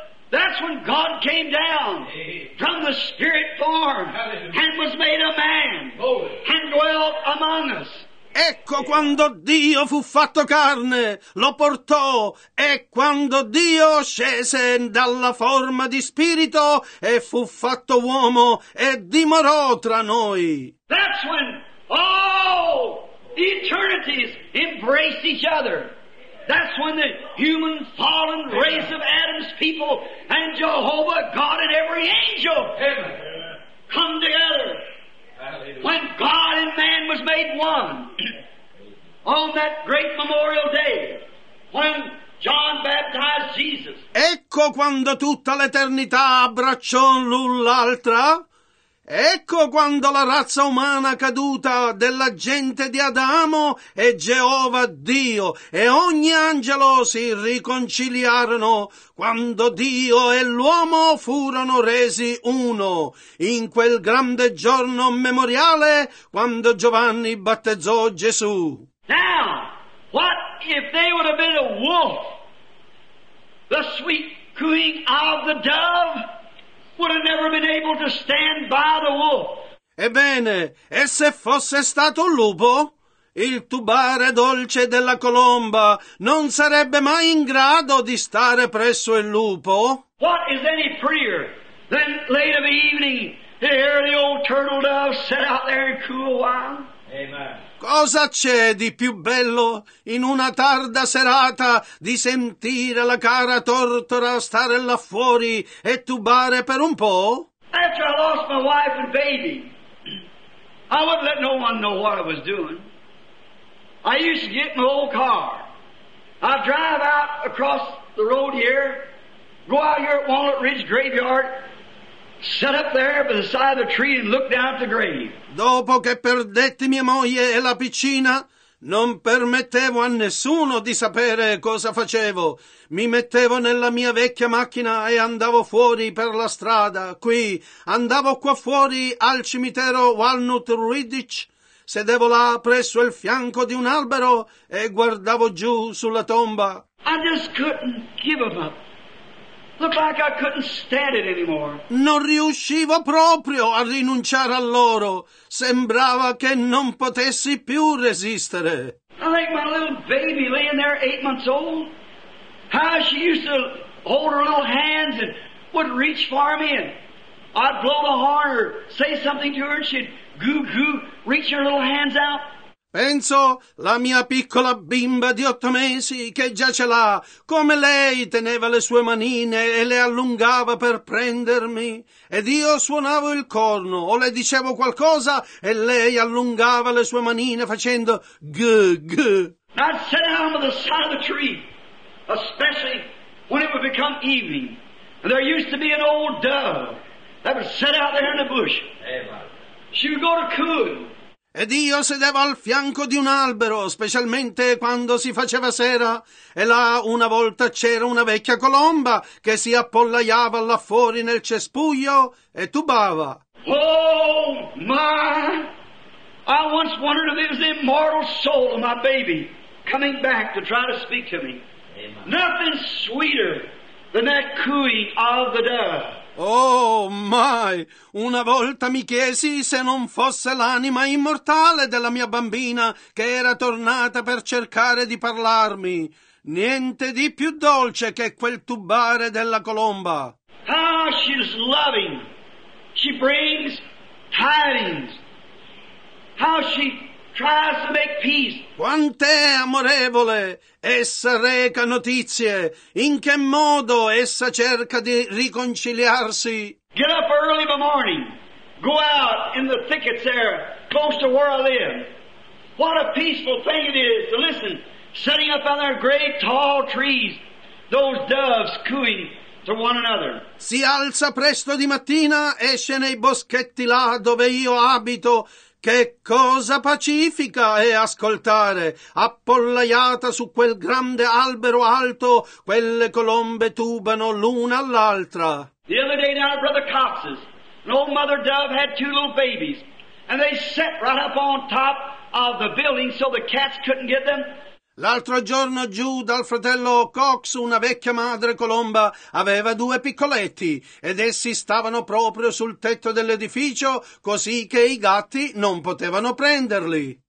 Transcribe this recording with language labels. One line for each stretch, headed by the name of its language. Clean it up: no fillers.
English: That's when God came down from the spirit form and was made a man and dwelt among us.
Italian: Ecco quando Dio fu fatto carne, lo portò, e quando Dio scese dalla forma di spirito e fu fatto uomo e dimorò tra noi.
English: That's when all the eternities embraced each other. That's when the human fallen race of Adam's people and Jehovah God and every angel come together. When God and man was made one on that great memorial day when John baptized Jesus.
Italian: Ecco quando tutta l'eternità abbracciò l'un l'altra. Ecco quando la razza umana caduta della gente di Adamo e Geova Dio e ogni angelo si riconciliarono quando Dio e l'uomo furono resi uno in quel grande giorno memoriale quando Giovanni battezzò Gesù.
English: Now, what if they would have been a wolf? The sweet cooing of the dove would have never been able to stand by the wolf.
Italian: Ebbene, e se fosse stato un lupo, il tubare dolce della colomba non sarebbe mai in grado di stare presso il lupo.
English: What is any prettier than late of evening to hear the old turtle dove set out there and coo a while? Amen.
Italian: Cosa c'è di più bello in una tarda serata di sentire la cara tortora stare là fuori e tubare per un po'?
English: After I lost my wife and baby, I wouldn't let no one know what I was doing. I used to get in my old car. I'd drive out across the road here, go out here at Walnut Ridge Graveyard, set up there beside the tree and look down at the grave.
Italian: Dopo che perdetti mia moglie e la piccina, non permettevo a nessuno di sapere cosa facevo. Mi mettevo nella mia vecchia macchina e andavo fuori per la strada. Qui, andavo qua fuori al cimitero Walnut Ridge, sedevo là presso il fianco di un albero e guardavo giù sulla tomba.
English: I just couldn't give him up. Looked like I couldn't stand it anymore.
Italian: Non riuscivo proprio a rinunciare a loro. Sembrava che non potessi più resistere.
English: I think my little baby laying there 8 months old. How she used to hold her little hands and would reach for me and I'd blow the horn or say something to her and she'd goo goo reach her little hands out.
Italian: Penso la mia piccola bimba di 8 mesi che giace là, come lei teneva le sue manine e le allungava per prendermi. Ed io suonavo il corno o le dicevo qualcosa e lei allungava le sue manine facendo g g.
English: I'd sit down on the side of the tree, especially when it would become evening. And there used to be an old dove that would sit out there in the bush. She would go to cooing.
Italian: Ed io sedevo al fianco di un albero, specialmente quando si faceva sera, e là una volta c'era una vecchia colomba che si appollaiava là fuori nel cespuglio e tubava.
English: Oh, my! I once wondered if it was the immortal soul of my baby coming back to try to speak to me. Nothing sweeter than that cooing of the dove.
Italian: Oh, mai! Una volta mi chiesi se non fosse l'anima immortale della mia bambina che era tornata per cercare di parlarmi. Niente di più dolce che quel tubare della colomba.
English: Ah, she's loving. She brings tidings. how she tries to make peace.
Italian: Quant'è amorevole, essa reca notizie, in che modo essa cerca di riconciliarsi.
English: Get up early in the morning, go out in the thickets there, close to where I live. What a peaceful thing it is to listen, setting up on their great tall trees, those doves cooing to one another.
Italian: Si alza presto di mattina, esce nei boschetti là dove io abito. Che cosa pacifica è ascoltare, appollaiata su quel grande albero alto, quelle colombe tubano l'una all'altra.
English: The other day down at Brother Cox's, an old mother dove had two little babies, and they sat right up on top of the building so the cats couldn't get them.
Italian: L'altro giorno giù dal fratello Cox una vecchia madre colomba aveva due piccoletti ed essi stavano proprio sul tetto dell'edificio così che i gatti non potevano prenderli.